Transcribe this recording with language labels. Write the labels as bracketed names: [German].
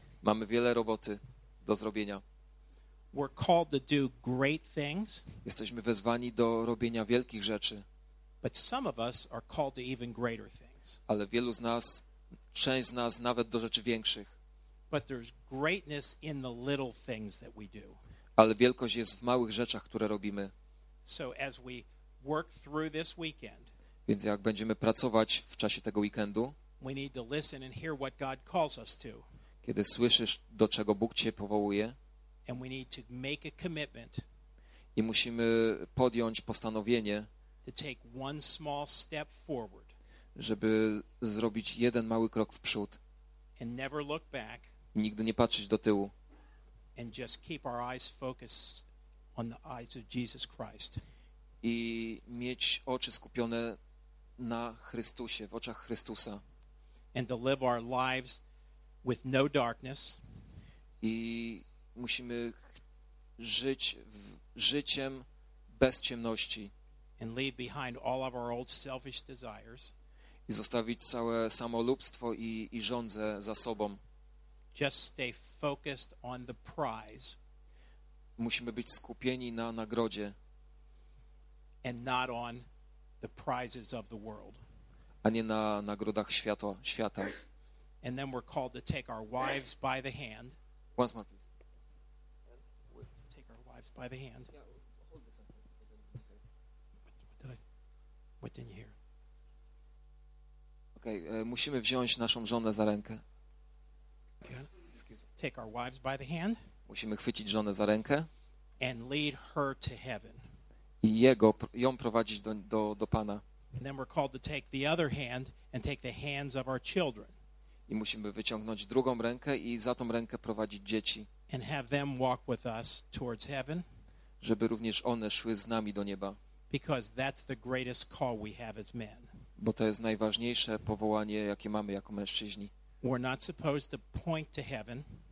[Polish] Mamy wiele roboty do zrobienia. [English] We're called to do great things. [Polish] Jesteśmy wezwani do robienia wielkich rzeczy. [English] But some of us are called to even greater things. [Polish] Ale wielu z nas, część z nas nawet do rzeczy większych. [English] But there's greatness in the little things that we do. [Polish] Ale wielkość jest w małych rzeczach, które robimy. [English] So as we work through this weekend, [Polish] więc jak będziemy pracować w czasie tego weekendu, [English] we need to listen and hear what God calls us to. [Polish] Kiedy słyszysz, do czego Bóg cię powołuje, [English] and we need to make a commitment, [Polish] i musimy podjąć postanowienie, [English] to take one small step forward, [Polish] żeby zrobić jeden mały krok w przód, [English] and never look back, [Polish] i nigdy nie patrzeć do tyłu, [English] and just keep our eyes focused on the eyes of Jesus Christ. [Polish] I mieć oczy skupione na Chrystusie, w oczach Chrystusa. [English] And to live our lives with no darkness. [Polish] I musimy żyć życiem bez ciemności. [English] And leave behind all of our old selfish desires. [Polish] I zostawić całe samolubstwo i żądzę za sobą. [English] Just stay focused on the prize. [Polish] Musimy być skupieni na nagrodzie. [English] And not on the prizes of the world. [Polish] A nie na nagrodach świata. [English] And then we're called to take our wives by the hand. Once more, please. Take our wives by the hand. What didn't you hear? [Polish] Okay, musimy wziąć naszą żonę za rękę. [English] Take our wives by the hand. [Polish] Musimy chwycić żonę za rękę. [English] And lead her to heaven. [Polish] I jego, ją prowadzić do Pana. [English] And then we're called to take the other hand and take the hands of our children. [Polish] I musimy wyciągnąć drugą rękę i za tą rękę prowadzić dzieci. [English] And have them walk with us towards heaven. [Polish] Żeby również one szły z nami do nieba. [English] Because that's the greatest call we have as men. [Polish] Bo to jest najważniejsze powołanie, jakie mamy jako mężczyźni. [English] We're not supposed to point to heaven.